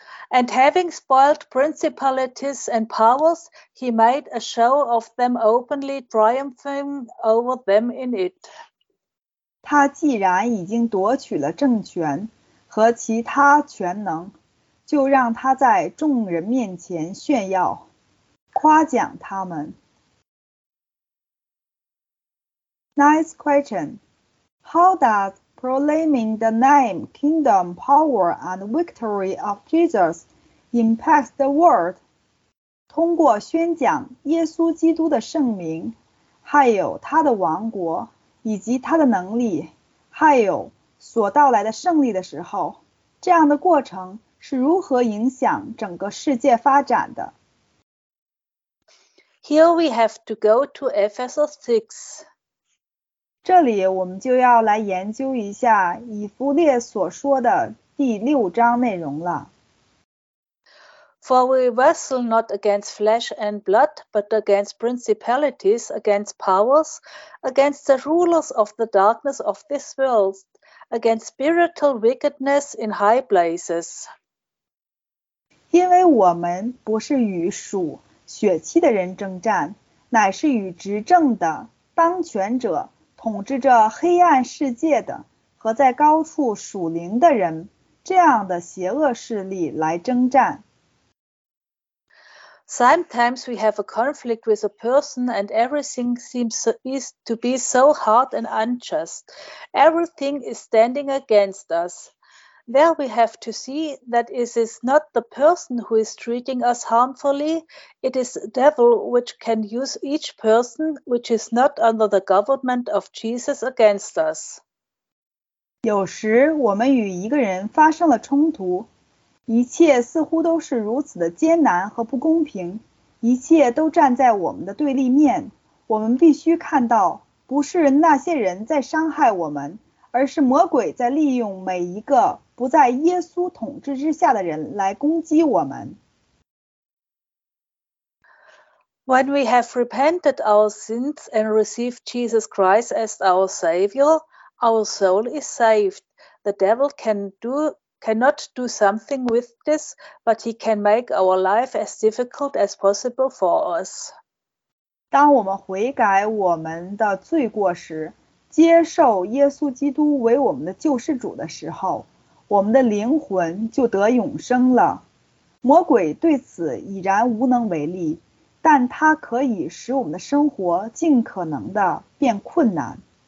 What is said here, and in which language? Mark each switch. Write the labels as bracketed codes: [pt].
[en] And having spoiled principalities and powers, he made a show of them openly, triumphing over them in it. [zh] 他既然已经夺取了政权和其他权能，就让他在众人面前炫耀，夸奖他们。 [en] Nice question. How does proclaiming the name, kingdom, power, and victory of Jesus impact the world? [zh] 通过宣讲耶稣基督的圣名，还有他的王国，以及他的能力，还有所到来的胜利的时候，这样的过程是如何影响整个世界发展的？ [en] Here we have to go to Ephesus 6. [zh] 这里我们就要来研究一下以弗列所说的第六章内容了。 [en] For we wrestle not against flesh and blood, but against principalities, against powers, against the rulers of the darkness of this world, against spiritual wickedness in high places. [zh] 因为我们不是与属血气的人征战，乃是与执政的、当权者、统治着黑暗世界的和在高处属灵的人这样的邪恶势力来征战。 [en] Sometimes we have a conflict with a person and everything seems to be so hard and unjust. Everything is standing against us. There we have to see that it is not the person who is treating us harmfully, it is the devil which can use each person which is not under the government of Jesus against us. [zh] 有时我们与一个人发生了冲突，一切似乎都是如此的艰难和不公平，一切都站在我们的对立面，我们必须看到不是那些人在伤害我们，而是魔鬼在利用每一个不在耶稣统治之下的人来攻击我们。 [en] When we have repented our sins and received Jesus Christ as our Savior, our soul is saved. The devil cannot do something with this, but he can make our life as difficult as possible for us. [zh] 当我们悔改我们的罪过时，接受耶稣基督为我们的救世主的时候，我们的灵魂就得永生了。魔鬼对此已然无能为力，但他可以使我们的生活尽可能的变困难。